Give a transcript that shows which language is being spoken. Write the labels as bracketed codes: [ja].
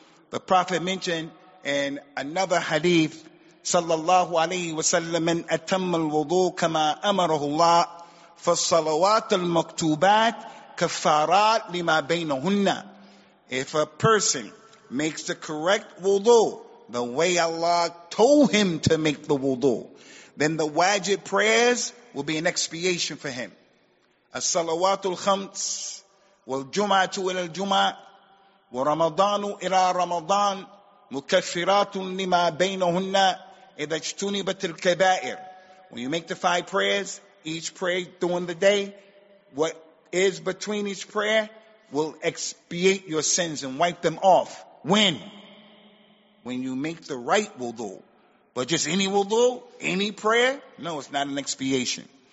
[en] The prophet mentioned in another hadith, [ar] sallallahu alayhi wa sallam, man atamma al-wudu kama amarahu Allah, فالصلوات المكتوبات كفارات لما بينهن. [en] If a person makes the correct wudu the way Allah told him to make the wudu, then the wajib prayers will be an expiation for him. [ar] الصلوات الخمس والجمعة إلى الجمعة ورمضان إلى رمضان مكفرات لما بينهن إذا اجتنبت الكبائر. [en] When you make the five prayers, each prayer during the day, what is between each prayer will expiate your sins and wipe them off. When? When you make the right wudu. But just any wudu, any prayer? No, it's not an expiation.